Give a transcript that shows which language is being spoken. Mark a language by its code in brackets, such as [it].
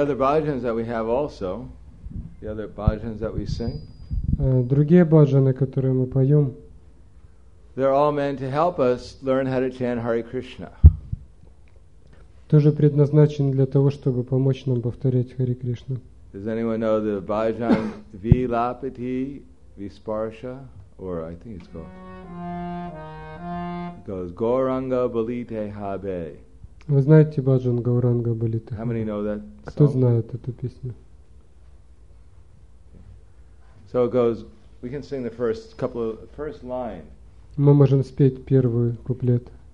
[en] other bhajans that we have also, the other bhajans that we sing, [ru] другие бхаджаны, которые мы поем, [en] they're all meant to help us learn how to chant Hare Krishna. [ru] Тоже предназначен для того, чтобы помочь нам повторять Хари Кришну. [en] Does anyone know the bhajan Vilapati Visparsha? Or I think it's called. It goes Gauranga Balite Habe. [ru] Вы знаете бхаджан Гауранга Балите? [en] How many know that song? [ru] Кто знает эту песню? [en] So it goes, we can sing the first line. [ru] Мы можем спеть первый куплет.